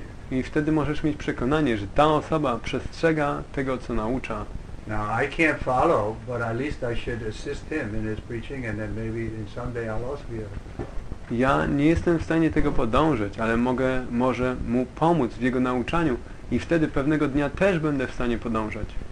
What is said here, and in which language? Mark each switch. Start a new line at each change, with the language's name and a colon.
Polish: I wtedy możesz mieć przekonanie, że ta osoba przestrzega tego, co naucza.
English: Now I can't follow, but at least I should assist him in his preaching, and then maybe in someday I'll also be able.
Polish: Ja nie jestem w stanie tego podążyć, ale mogę może mu pomóc w jego nauczaniu i wtedy pewnego dnia też będę w stanie podążać.